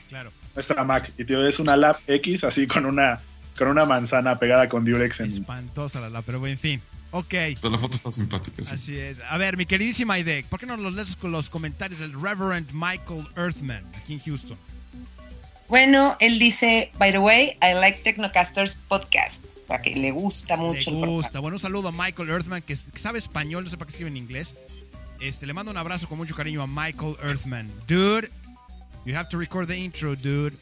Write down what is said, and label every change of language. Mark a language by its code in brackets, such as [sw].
[es] claro, nuestra Mac. Y tío, es una Lab X así con una manzana pegada con Durex. Espantosa la Lab, pero en fin. Ok. Pero la foto está simpática. Sí. Así es. A ver, mi queridísima Aide, ¿por qué no los lees con los comentarios del Reverend Michael Earthman aquí en Houston? Bueno, él dice: [en] by the way, I like Tecnocasters podcast. [es] O sea, que le gusta mucho. Le gusta. Bueno, un saludo a Michael Earthman, que sabe español, no sé para qué escribe en inglés. Le mando un abrazo con mucho cariño a Michael Earthman. [en] Dude, you have to record the intro, dude.